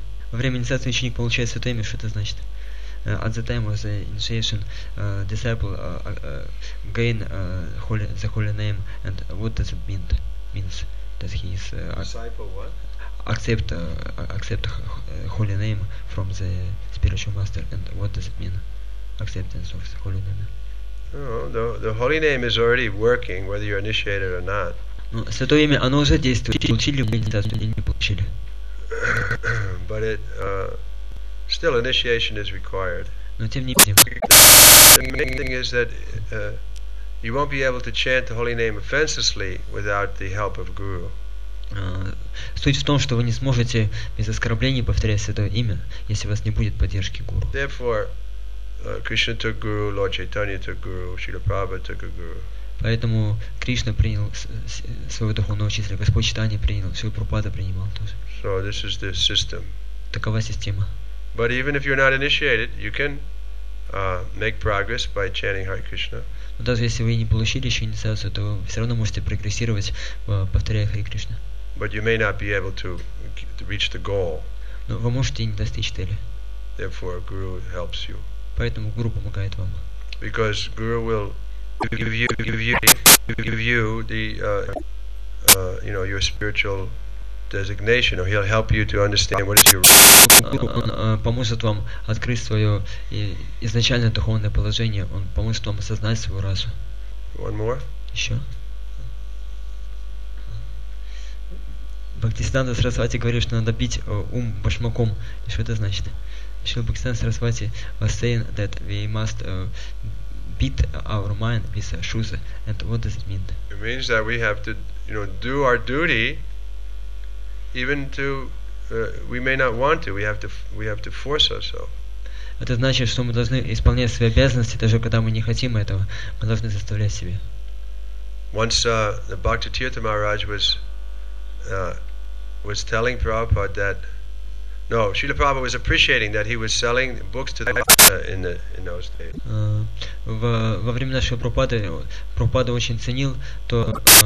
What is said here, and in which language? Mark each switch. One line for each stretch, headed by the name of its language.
Russian: Во время инициации ученик получает святое имя. Что это значит?
English: At the time of the initiation, disciple gain the holy name, and what does it mean? Means that he is disciple what? Accept holy name from the spiritual master, and what does it mean? Acceptance of the holy name. The holy name is already working, whether you're initiated or not.
Russian: Ну, святое имя, оно уже действует. Получили вы инициацию или не получили?
English: But it. Still, initiation is required.
Russian: Но тем не менее.
English: The main thing is that you won't be able to chant the holy name offenselessly without the help of guru.
Russian: Суть в том, что вы не сможете без оскорблений повторять святое имя, если у вас не будет поддержки гуру.
English: Therefore, Krishna took guru, Lord Chaitanya took guru, Srila Prabhupada took a guru.
Russian: Поэтому Кришна принял своего духовного учителя, Господь Чайтанья принял, Шрила Прабхупада принимал тоже.
English: So this is the system.
Russian: Такова система.
English: But even if you're not initiated, you can make progress by chanting Hare Krishna.
Russian: Но даже если вы не получили еще инициацию, то все равно можете прогрессировать, повторяя Хари Кришна.
English: But you may not be able to reach the goal.
Russian: Но вы можете не достичь цели.
English: Therefore, guru helps you. Поэтому гуру помогает вам. Because guru will give you the you know your spiritual designation, or he'll help you to understand what is your
Russian: он поможет вам открыть свое изначальное духовное положение. Он поможет вам осознать свою расу.
English: One more.
Russian: Еще. Бхактисиддханта Сарасвати говорит, что надо бить ум башмаком. Что это значит?
English: Шрила Бхактисиддханта Сарасвати was saying that we must beat our mind with shoes. And what does it mean? It means that we have to, you know, do our duty. Even to we may not want to, we have to force ourselves.
Russian: Это значит, что мы должны исполнять свои обязанности, даже когда мы не хотим этого, мы должны заставлять себя.
English: Once the Bhaktitirtha Maharaj was telling Prabhupada that no, Srila Prabhupada was appreciating that he was selling books to the in those days.
Russian: Во время нашего Прабхупада очень ценил то.